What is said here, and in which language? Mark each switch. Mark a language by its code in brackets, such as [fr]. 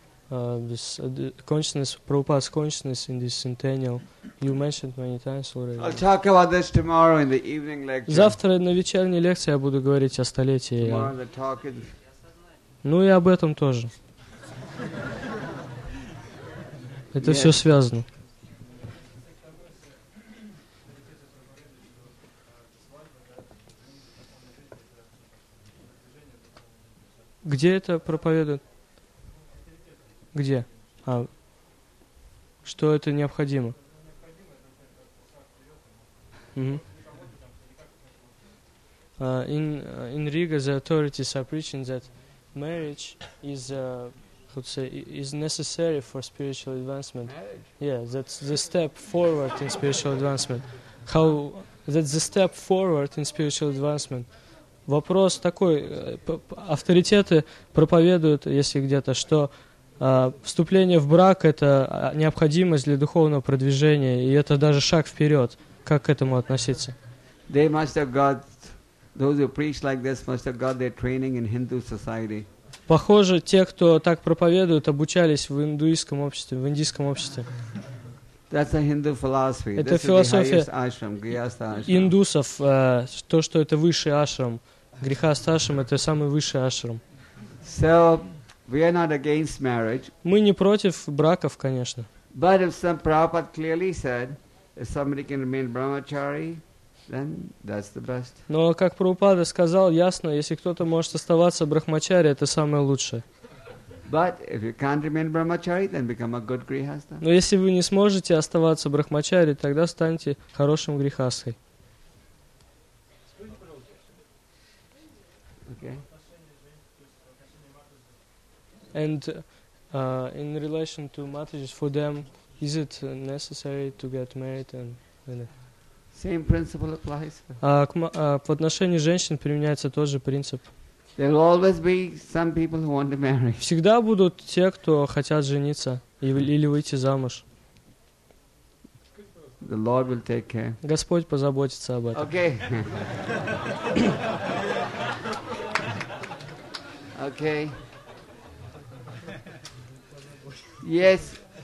[en] Prabhupada's consciousness in this centennial, you mentioned many times already. I'll talk about this tomorrow in the evening lecture. [ru] Завтра на вечерней лекции я буду говорить о столетии. [en] Tomorrow the talk is. [ru] Ну и об этом тоже. Это все связано. Где это проповедуют? Где? А что это необходимо? [en] In Riga, the authorities are preaching that marriage is is necessary for spiritual advancement. Marriage? Yeah, that's the step forward in spiritual advancement. [ru] Вопрос такой: авторитеты проповедуют, если где-то, что вступление в брак – это необходимость для духовного продвижения, и это даже шаг вперед. Как к этому относиться? [en] They must have got, those who preach like this must have got their training in Hindu society. [ru] Похоже, те, кто так проповедуют, обучались в индуистском обществе, в индийском обществе. [en] That's a Hindu philosophy. [ru] Это философия ашрам, грихаста ашрам. Индусов, то, что это высший ашрам, грихаста ашрам, это самый высший ашрам. [en] So, we are not against marriage. [ru] Мы не против браков, конечно. [en] But if some Prabhupada clearly said, if somebody can remain brahmachari, then that's the best. [ru] Но как Прабхупада сказал, ясно, если кто-то может оставаться брахмачари, это самое лучшее. [en] But if you can't remain brahmachari, then become a good grihastha. [ru] Но если вы не сможете оставаться брахмачари, тогда станьте хорошим грихастхой. [en] Okay. And in relation to matters for them, is it necessary to get married? And same principle applies. [ru] В отношении женщин применяется тот же принцип. [en] There will always be some people who want to marry. [ru] Всегда будут те, кто хотят жениться или выйти замуж. [en] The Lord will take care. [ru] Господь позаботится об этом. [en] Okay. Okay. Yes,